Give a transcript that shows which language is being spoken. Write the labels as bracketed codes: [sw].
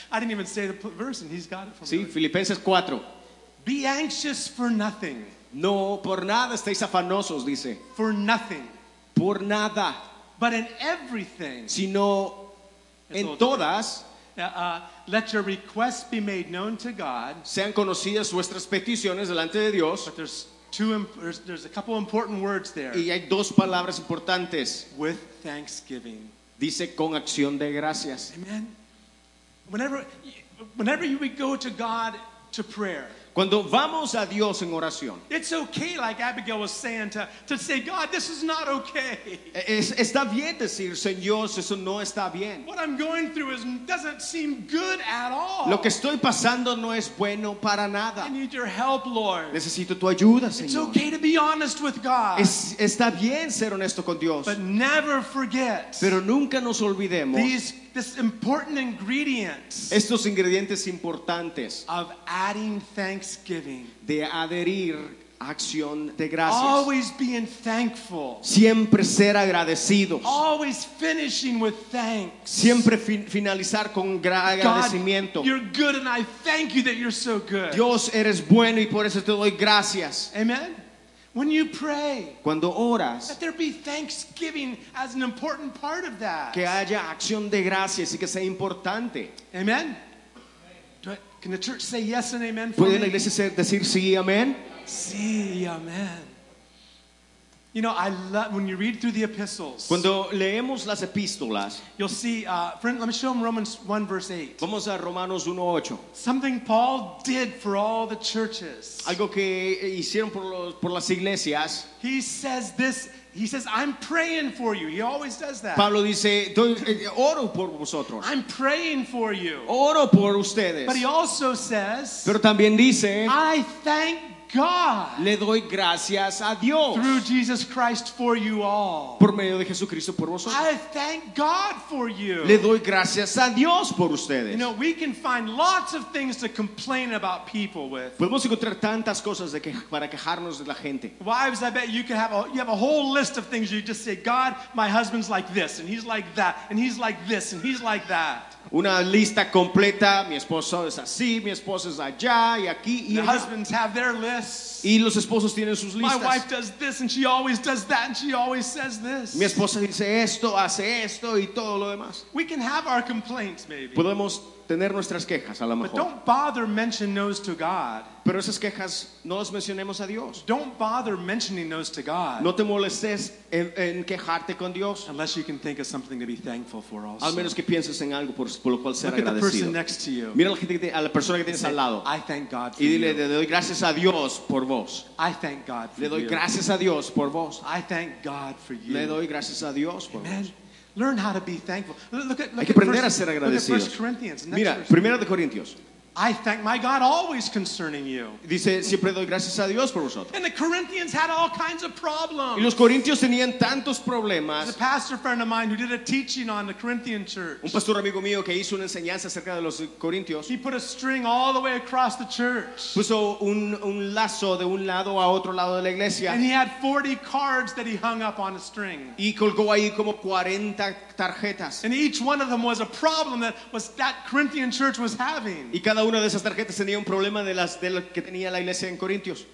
[en] I didn't even say the verse and he's got it for me. [es] Sí, Filipenses 4. [en] Be anxious for nothing. [es] No, por nada estéis afanosos, dice. [en] For nothing. [es] Por nada. [en] But in everything. [es] Sino en todas. [en] Let your requests be made known to God. [es] Sean conocidas vuestras peticiones delante de Dios. [en] But there's a couple important words there. [es] Y hay dos palabras importantes. [en] With thanksgiving. [es] Dice con acción de gracias. [en] Amen. Whenever we go to God to prayer. [es] Cuando vamos a Dios en oración. [en] It's okay, like Abigail was saying, to say, God, this is not okay. [es] Está bien decir, Señor, eso no está bien. [en] What I'm going through doesn't seem good at all. [es] Lo que estoy pasando no es bueno para nada. [en] I need your help, Lord. [es] Necesito tu ayuda, Señor. [en] It's okay to be honest with God. [es] Está bien ser honesto con Dios. [en] But never forget. [es] Pero nunca nos olvidemos. [en] These this important ingredient [es] estos ingredientes importantes [en] of adding thanksgiving [es] de adherir acción de gracias. [en] Always being thankful. [es] Siempre ser agradecidos. [en] Always finishing with thanks. [es] Siempre finalizar con agradecimiento. [en] God, you're good and I thank you that you're so good. [es] Dios, eres bueno y por eso te doy gracias. [en] Amen. When you pray, [es] cuando oras, [en] let there be thanksgiving as an important part of that. [es] Que haya acción de gracias y que sea importante. [en] Amen. Can the church say yes and amen for [es] ¿Puede [en] me? [es] La iglesia decir sí y amén? Sí, amén. [en] You know, I love when you read through the epistles. [es] Cuando leemos las epístolas, [en] you'll see, friend, let me show them Romans 1, verse 8. [es] Vamos a Romanos 1, 8. [en] Something Paul did for all the churches. [es] Algo que hicieron por las iglesias. [en] He says this. He says, I'm praying for you. He always does that. [es] Pablo dice, oro por vosotros. [en] I'm praying for you. [es] Oro por ustedes. [en] But he also says, [es] pero también dice, [en] I thank God. God, [es] le doy gracias a Dios. [en] Through Jesus Christ for you all. [es] Por medio de Jesucristo por vosotros. [en] I thank God for you. [es] Le doy gracias a Dios por ustedes. [en] You know, we can find lots of things to complain about people with. [es] Podemos encontrar tantas cosas de que, para quejarnos de la gente. [en] Wives, I bet you could have you have a whole list of things you just say, God, my husband's like this and he's like that and he's like this and he's like that. [es] Una lista completa, mi esposo es así, mi esposa es allá y aquí y allá. [en] The husbands have their lists. [es] Y los esposos tienen sus listas. [en] My wife does this and she always does that and she always says this. [es] Mi esposa dice esto, hace esto y todo lo demás. [en] We can have our complaints maybe. [es] Podemos tener nuestras quejas a lo mejor. [en] But don't bother mentioning those to God. [es] Pero esas quejas no las mencionemos a Dios. [en] Don't bother mentioning those to God. [es] No te molestes en quejarte con Dios. [en] Unless you can think of something to be thankful for also. [es] Al menos que pienses en algo por lo cual ser [en] look [es] agradecido. [en] At the person next to you. [es] Mira a la persona que tienes [en] say, [es] al lado. [en] I thank God for [es] y dile, [en] you. [es] Le doy gracias a Dios por vos. [en] I thank God for [es] le doy [en] you. [es] Gracias a Dios por vos. [en] I thank God for you. [es] Le doy gracias a Dios por [en] Amen. [es] Vos. [en] Learn how to be thankful. Look at, [es] hay que aprender a ser agradecidos. [en] Look at 1 Corinthians. Next [es] mira, primera de Corintios. [en] I thank my God always concerning you. [es] Dice, siempre doy gracias a Dios por vosotros. [en] And the Corinthians had all kinds of problems. [es] Y los corintios tenían tantos problemas. [en] There's a pastor friend of mine who did a teaching on the Corinthian church. [es] Un pastor amigo mío que hizo una enseñanza acerca de los corintios. [en] He put a string all the way across the church. [es] Puso un lazo de un lado a otro lado de la iglesia. [en] And he had 40 cards that he hung up on a string. [es] Y colgó ahí como 40 tarjetas. [en] And each one of them was a problem that was that Corinthian church was having. [es] Y cada una de esas tarjetas tenía un problema de lo que tenía la iglesia en Corintios.